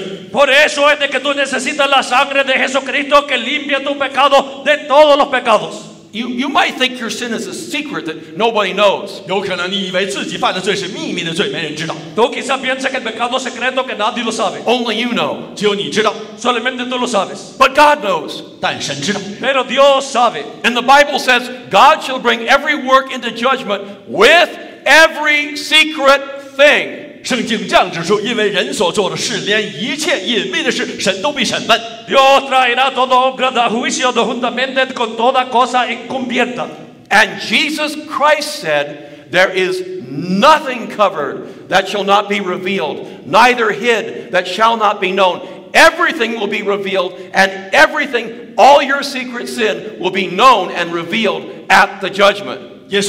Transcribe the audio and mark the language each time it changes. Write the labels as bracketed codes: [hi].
[es] Por eso es de que tú necesitas la sangre de Jesucristo que limpia tu pecado de todos los pecados. [en] You might think your sin is a secret that nobody knows. [zh] 有可能你以为自己犯的罪是秘密的罪，没人知道。 [es] Tú quizás piensas que el pecado secreto que nadie lo sabe. [en] Only you know. [zh] 只有你知道。 [es] Solamente tú lo sabes. [en] But God knows. [zh] 但神知道。 [es] Pero Dios sabe. [en] And the Bible says, God shall bring every work into judgment with every secret thing. [zh] 圣经这样指出，因为人所做的事，连一切隐秘的事，神都必审问。 [es] Dios traerá todo obra de juicio juntamente con toda cosa encubierta. [en] And Jesus Christ said, there is nothing covered that shall not be revealed, neither hid that shall not be known. Everything will be revealed, and everything, all your secret sin, will be known and revealed at the judgment.